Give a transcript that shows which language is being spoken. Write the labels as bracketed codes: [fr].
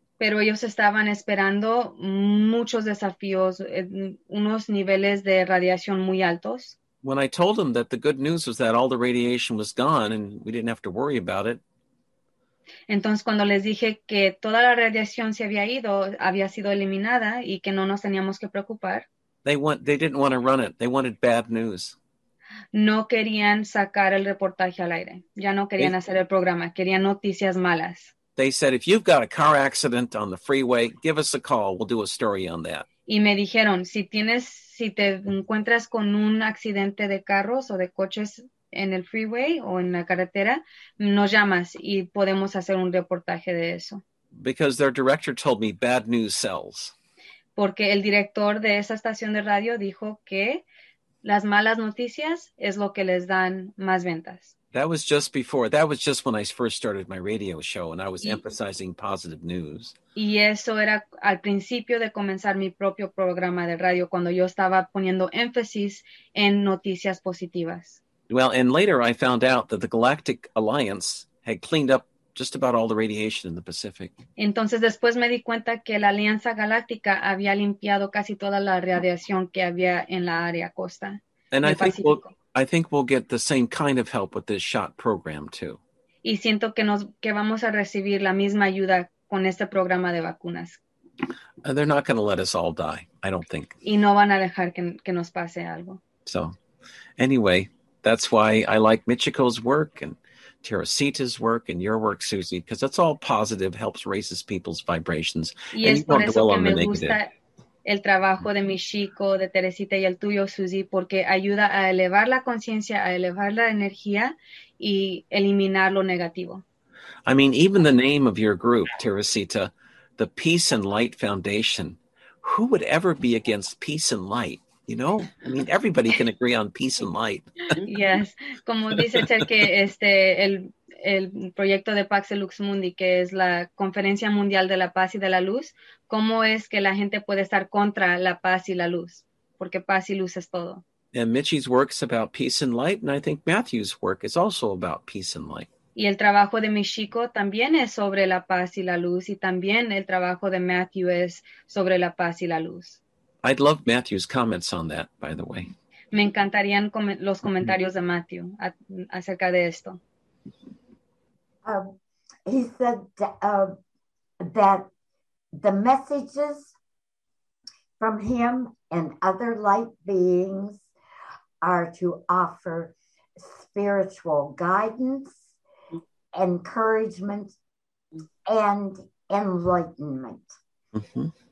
[es] Pero ellos estaban esperando muchos desafíos, unos niveles de radiación muy altos. [en] When I told them that the good news was that all the radiation was gone and we didn't have to worry about it. [es] Entonces, cuando les dije que toda la radiación se había ido, había sido eliminada y que no nos teníamos que preocupar. [en] They didn't want to run it. They wanted bad news. [es] No querían sacar el reportaje al aire. Ya no querían hacer el programa. Querían noticias malas. [en] They said, if you've got a car accident on the freeway, give us a call. We'll do a story on that. [es] Y me dijeron, si te encuentras con un accidente de carros o de coches en el freeway o en la carretera, nos llamas y podemos hacer un reportaje de eso. [en] Because their director told me bad news sells. [es] Porque el director de esa estación de radio dijo que las malas noticias es lo que les dan más ventas. [en] That was just when I first started my radio show and I was emphasizing positive news. [es] Y eso era al principio de comenzar mi propio programa de radio, cuando yo estaba poniendo énfasis en noticias positivas. [en] Well, and later I found out that the Galactic Alliance had cleaned up just about all the radiation in the Pacific. [es] Entonces después me di cuenta que la Alianza Galáctica había limpiado casi toda la radiación que había en la área costa. [en] And I think we'll get the same kind of help with this SHOT program too. [es] Y siento que vamos a recibir la misma ayuda con este programa de vacunas. [en] They're not going to let us all die, I don't think. [es] Y no van a dejar que nos pase algo. [en] So, anyway, that's why I like Michiko's work and Teresita's work and your work, Susie, because it's all positive, helps raises people's vibrations. [es] Y es por eso que me gusta el trabajo de Michiko, de Teresita y el tuyo, Susie, porque ayuda a elevar la conciencia, a elevar la energía y eliminar lo negativo. [en] I mean, even the name of your group, Teresita, the Peace and Light Foundation, who would ever be against peace and light? You know, I mean, everybody can agree on peace and light. [es] Yes, como dice Ter, que el proyecto de Pax Lux Mundi, que es la Conferencia Mundial de la Paz y de la Luz, ¿cómo es que la gente puede estar contra la paz y la luz? Porque paz y luz es todo. [en] And Michi's work is about peace and light, and I think Matthew's work is also about peace and light. [es] Y el trabajo de Michiko también es sobre la paz y la luz, y también el trabajo de Matthew es sobre la paz y la luz. [en] I'd love Matthew's comments on that, by the way. [es] Me encantarían los comentarios de Matthew acerca de esto. [en] He said that the messages from him and other light beings are to offer spiritual guidance, encouragement, and enlightenment. Mm-hmm.